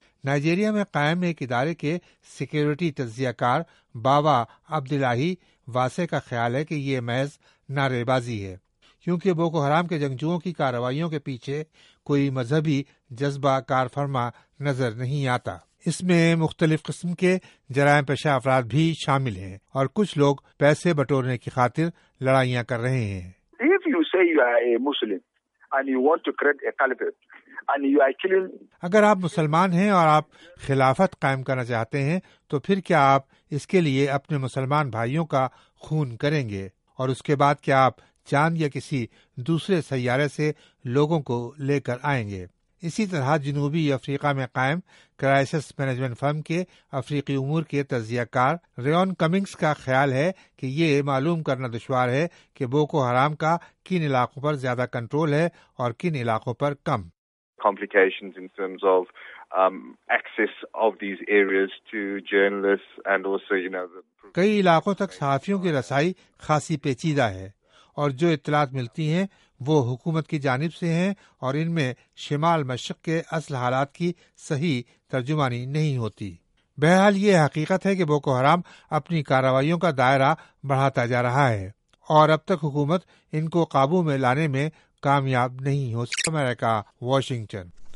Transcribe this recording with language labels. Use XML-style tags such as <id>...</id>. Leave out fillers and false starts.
<ur>Nigeria میں قائم ایک ادارے کے سیکیورٹی تجزیہ کار باوا عبداللہی واسع کا خیال ہے کہ یہ محض نعرے بازی ہے، کیونکہ بوکو حرام کے جنگجوؤں کی کارروائیوں کے پیچھے کوئی مذہبی جذبہ کار فرما نظر نہیں آتا. اس میں مختلف قسم کے جرائم پیشہ افراد بھی شامل ہیں، اور کچھ لوگ پیسے بٹورنے کی خاطر لڑائیاں کر رہے ہیں.</ur> <en>If you say you are a Muslim and you want to create a caliphate,</en> <ur>اگر آپ مسلمان ہیں اور آپ خلافت قائم کرنا چاہتے ہیں تو پھر کیا آپ اس کے لیے اپنے مسلمان بھائیوں کا خون کریں گے، اور اس کے بعد کیا آپ چاند یا کسی دوسرے سیارے سے لوگوں کو لے کر آئیں گے۔ اسی طرح جنوبی افریقہ میں قائم کرائسس مینجمنٹ فرم کے افریقی امور کے تجزیہ کار ریون کمنگز کا خیال ہے کہ یہ معلوم کرنا دشوار ہے کہ بوکو حرام کا کن علاقوں پر زیادہ کنٹرول ہے اور کن علاقوں پر کم۔</ur> <en>Complications in terms of access of these areas to journalists and also, you know, the...</en> <ur>کئی علاقوں تک صحافیوں کی رسائی خاصی پیچیدہ ہے اور جو اطلاعات ملتی ہیں وہ حکومت کی جانب سے ہیں اور ان میں شمال مشرق کے اصل حالات کی صحیح ترجمانی نہیں ہوتی۔ بہرحال یہ حقیقت ہے کہ بوکو حرام اپنی کارروائیوں کا دائرہ بڑھاتا جا رہا ہے اور اب تک حکومت ان کو قابو میں لانے میں کامیاب نہیں ہو سکتا۔ امریکہ واشنگٹن۔</ur>